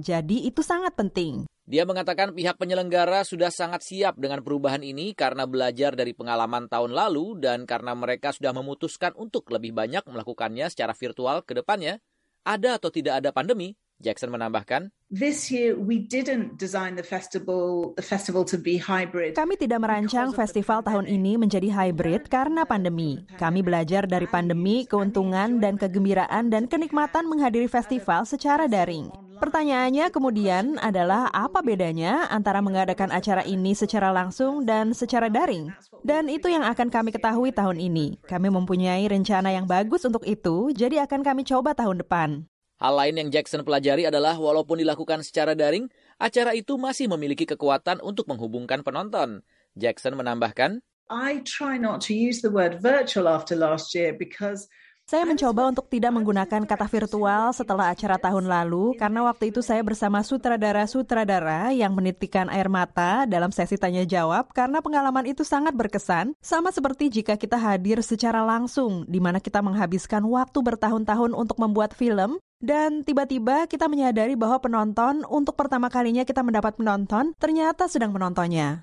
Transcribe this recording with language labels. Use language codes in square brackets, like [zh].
[id] Jadi itu sangat penting. Dia mengatakan pihak penyelenggara sudah sangat siap dengan perubahan ini karena belajar dari pengalaman tahun lalu dan karena mereka sudah memutuskan untuk lebih banyak melakukannya secara virtual ke depannya. Ada atau tidak ada pandemi, Jackson menambahkan. [en] This year we didn't design the festival to be hybrid. [id] Kami tidak merancang festival tahun ini menjadi hybrid karena pandemi. Kami belajar dari pandemi, keuntungan dan kegembiraan dan kenikmatan menghadiri festival secara daring. Pertanyaannya kemudian adalah apa bedanya antara mengadakan acara ini secara langsung dan secara daring? Dan itu yang akan kami ketahui tahun ini. Kami mempunyai rencana yang bagus untuk itu, jadi akan kami coba tahun depan. Hal lain yang Jackson pelajari adalah walaupun dilakukan secara daring, acara itu masih memiliki kekuatan untuk menghubungkan penonton. Jackson menambahkan, [en] I try not to use the word virtual after last year because [id] saya mencoba untuk tidak menggunakan kata virtual setelah acara tahun lalu karena waktu itu saya bersama sutradara-sutradara yang menitikkan air mata dalam sesi tanya-jawab karena pengalaman itu sangat berkesan, sama seperti jika kita hadir secara langsung di mana kita menghabiskan waktu bertahun-tahun untuk membuat film dan tiba-tiba kita menyadari bahwa penonton untuk pertama kalinya kita mendapat penonton ternyata sedang menontonnya.